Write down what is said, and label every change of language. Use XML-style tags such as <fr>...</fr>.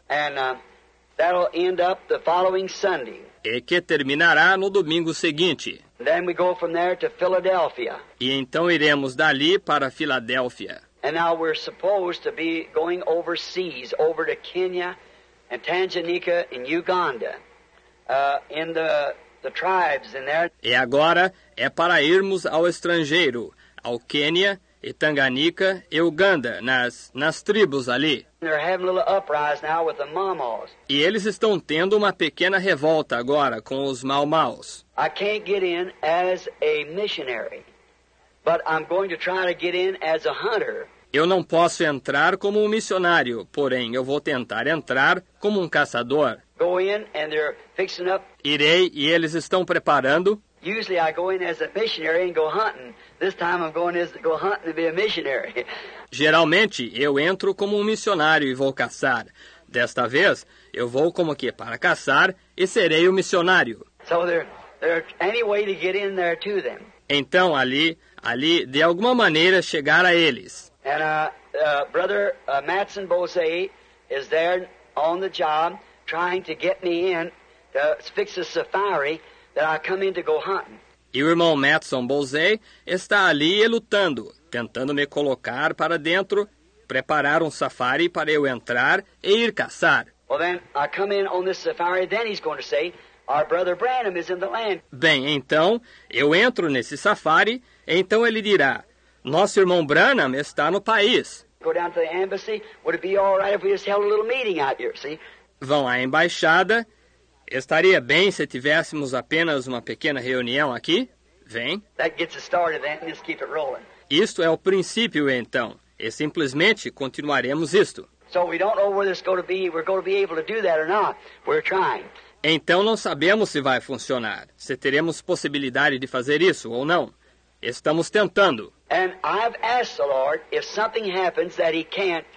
<en>And that'll end up the following Sunday.</en> <pt>E que terminará no domingo seguinte.</pt> <en>Then we go from there to Philadelphia.</en> <pt>E então iremos dali para Filadélfia.</pt> <en>And now we're supposed to be going overseas, over to Kenya and Tanganyika in Uganda, in the tribes in there.</en> <pt>E agora é para irmos ao estrangeiro, ao Quênia e Tanganyika e Uganda, nas tribos ali.</pt> <en>They're having a little uprise now with the Mau-Maus.</en> <pt>E eles estão tendo uma pequena revolta agora com os Mau-Maus.</pt> <en>I can't get in as a missionary, but I'm going to try to get in as a hunter.</en> <pt>Eu não posso entrar como um missionário, porém eu vou tentar entrar como um caçador.</pt> <en>Go in and they're fixing up.</en> <pt>Irei e eles estão preparando.</pt> <en>Usually I go in as a missionary and go hunting. This time I'm going as to go hunting to be a missionary.</en> <pt>Geralmente eu entro como um missionário e vou caçar. Desta vez eu vou como que para caçar e serei o missionário.</pt> <en>So there any way to get in there to them?</en> <pt>Então ali de alguma maneira chegar a eles.</pt> <en>And brother Matson Bose is there on the job trying to get me in to fix a safari. That I come in to go hunting.</en> <pt>E o irmão Matson Bose está ali lutando, tentando me colocar para dentro, preparar um safari para eu entrar e ir caçar.</pt> <en>Well, then I come in on this safari, then he's going to say, our brother Branham is in the land.</en> <pt>Bem, então, eu entro nesse safari, então ele dirá, nosso irmão Branham está no país.</pt> <en>Go down to the embassy, would it be all right if we just held a little meeting out here, see?</en> <pt>Vão à embaixada. Estaria bem se tivéssemos apenas uma pequena reunião aqui? Vem.</pt> <en>That gets us started, then. Just keep it rolling.</en> <pt>Isto é o princípio, então. E simplesmente continuaremos isto.</pt> <en>So we don't know whether it's going to be, we're going to be able to do that or not. We're trying.</en> <pt>Então não sabemos se vai funcionar, se teremos possibilidade de fazer isso ou não. Estamos tentando.</pt> <en>And I've asked the Lord if something happens that he can't.</en>